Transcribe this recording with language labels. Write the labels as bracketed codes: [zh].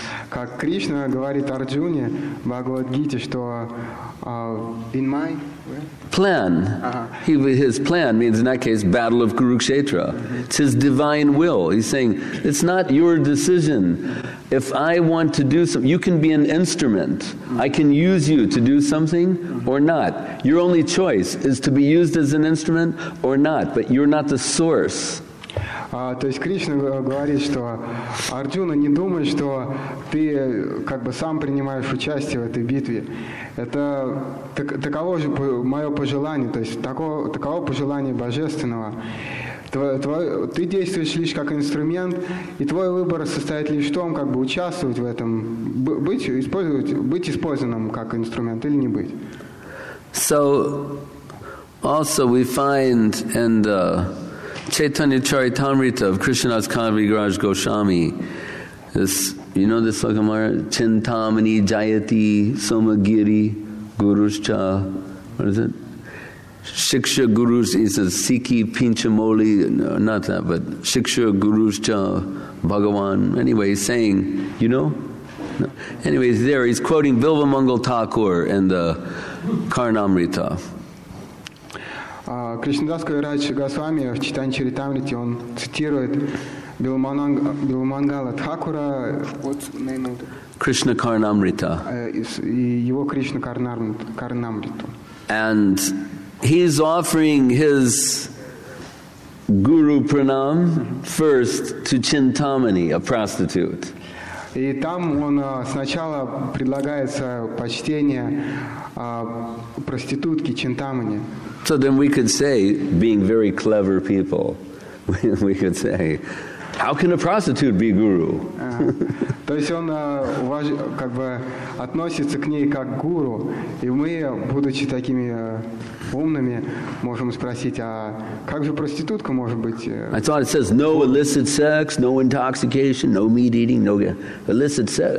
[ru] Как Кришна говорит Арджуне в Бхагавад Гите, что [en] in my plan, his plan means in that case battle of Kurukshetra. It's his divine will. He's saying, it's not your decision. If I want to do something, you can be an instrument. I can use you to do something or not. Your only choice is to be used as an instrument or not, but you're not the source. [ru] То есть Кришна говорит, что Арджуна, не думай, что ты как бы сам принимаешь участие в этой битве. Это таково же мое пожелание, то есть таково пожелание Божественного. Ты действуешь лишь как инструмент, и твой выбор состоит лишь в том, как бы участвовать в этом, быть использованным как инструмент или не быть. [en] So, also we find in the Chaitanya Charitamrita of Krishnadas Kaviraj Goswami, this, you know this Lokamara? [sa] Chintamani Jayati Somagiri Guruscha, [en] what is it? [sa] Shiksha Gurus, [en] he says, [sa] Siki Pinchamoli, [en] no, not that, but [sa] Shiksha Guruscha Bhagavan. [en] Anyway, he's saying, you know? No. Anyway, he's there, he's quoting Vilva Mangal Thakur in the Karnamrita. [ru] Кришнадас Кавирадж Госвами в Чайтанья Чаритамрите он цитирует Билмангала Тхакура. Кришна Карнамрита. И его Кришна Карнамриту. [en] And he's offering his guru pranam first to Chintamani, a prostitute. [ru] И там он сначала предлагается почтение проститутке Чинтамани. [en] So then we could say, being very clever people, we could say, how can a prostitute be guru? [ru] То есть он как бы относится к ней как гуру, и мы, будучи такими умными, можем спросить, а как же проститутка может быть? [en] I thought it says no illicit sex, no intoxication, no meat eating, no illicit sex.